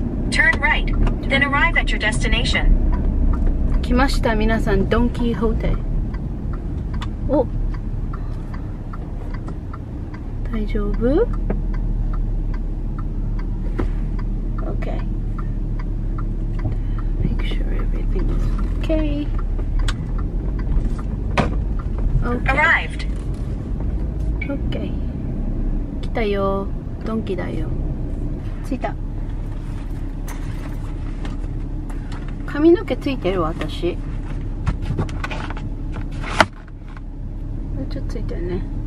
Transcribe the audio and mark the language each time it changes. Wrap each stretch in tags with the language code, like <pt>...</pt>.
<en>Turn right, then arrive at your destination.</en> <ja>来ました皆さん、ドンキーホーテイ。お、大丈夫？</ja> <en>Okay. Make sure everything is okay. Okay. Arrived.</en> <ja>オッケー、来たよ、ドンキだよ、着いた。髪の毛ついてる、私めっちゃついてるね。</ja>